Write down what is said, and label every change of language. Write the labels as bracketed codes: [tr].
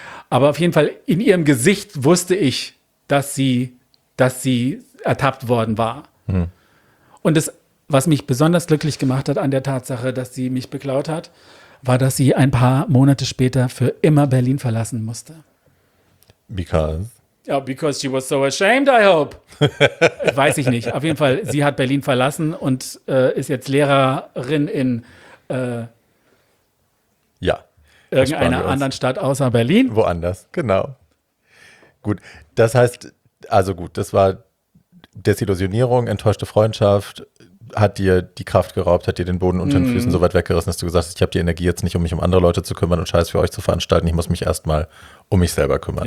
[de] Aber auf jeden Fall in ihrem Gesicht wusste ich, dass sie ertappt worden war. Mhm. Und das, was mich besonders glücklich gemacht hat an der Tatsache, dass sie mich beklaut hat, war, dass sie ein paar Monate später für immer Berlin verlassen musste. [en] Because? Ja, oh, because she was so ashamed, I hope. [de] Weiß ich nicht. Auf jeden Fall, sie hat Berlin verlassen und ist jetzt Lehrerin in ja, irgendeiner anderen Stadt außer Berlin. Woanders, genau. Gut, das heißt, also gut, das war Desillusionierung, enttäuschte Freundschaft, hat dir die Kraft geraubt, hat dir den Boden unter den Füßen so weit weggerissen, dass du gesagt hast, ich habe die Energie jetzt nicht, um mich um andere Leute zu kümmern und Scheiß für euch zu veranstalten, ich muss mich erstmal um mich selber kümmern.